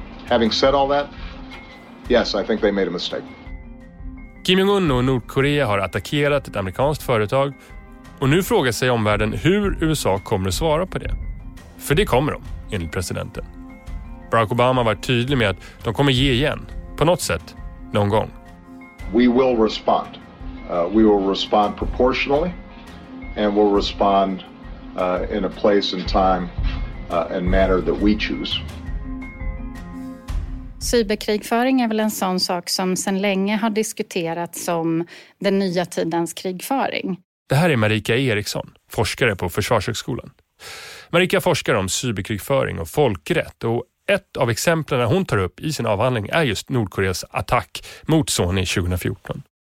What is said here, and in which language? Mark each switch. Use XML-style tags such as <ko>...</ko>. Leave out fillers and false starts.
<en>Having said all that, yes, I think they made a mistake.</en> <sv>Kim Jong-un och Nordkorea har attackerat ett amerikanskt företag. Och nu frågar sig omvärlden hur USA kommer att svara på det. För det kommer de, enligt presidenten. Barack Obama var tydlig med att de kommer ge igen på något sätt någon gång.</sv> <en>We will respond. We will respond proportionally and we'll respond in a place and time and manner that we choose.</en> <sv>Cyberkrigföring är väl en sån sak som sedan länge har diskuterats som den nya tidens krigföring. Det här är Marika Eriksson, forskare på Försvarshögskolan. Marika forskar om cyberkrigföring och folkrätt, och ett av exemplen hon tar upp i sin avhandling är just Nordkoreas attack mot Sony 2014.</sv>